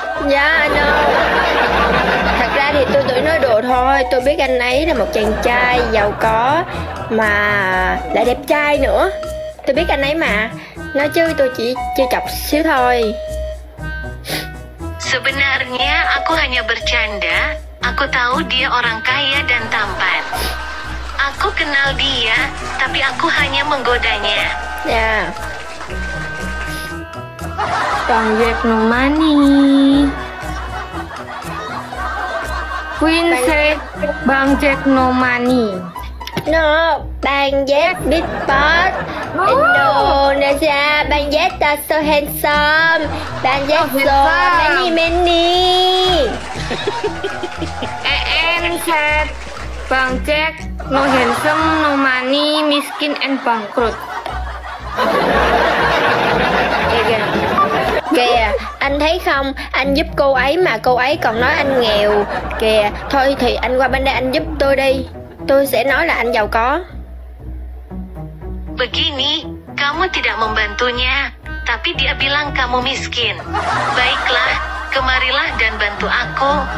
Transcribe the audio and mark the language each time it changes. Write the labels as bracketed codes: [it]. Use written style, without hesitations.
[en] Yeah, I know. [vi] Thật ra thì tôi tưởng nói đùa thôi. Tôi biết anh ấy là một chàng trai giàu có mà lại đẹp trai nữa. Tôi biết anh ấy mà. Nói chứ tôi chỉ chơi chọc xíu thôi. [id] Sebenarnya aku hanya bercanda. Aku tahu dia orang kaya dan tampan. Aku kenal dia, tapi aku hanya menggodanya. Ya. [en] Bang Jack no money. Queen said Bang Jack no money. No, Bang Jack big boss. Indonesia, Bang Jack is so handsome. Bang Jack so many many. And said Bang Jack no handsome, no money, miskin and bankrupt. Yeah. [vi] Kìa, anh thấy không, anh giúp cô ấy mà cô ấy còn nói anh nghèo. Kìa, thôi thì anh qua bên đây anh giúp tôi đi. Tôi sẽ nói là anh giàu có. [id] Begini, kamu tidak membantunya, tapi dia bilang kamu miskin. Baiklah, kemarilah dan bantu aku.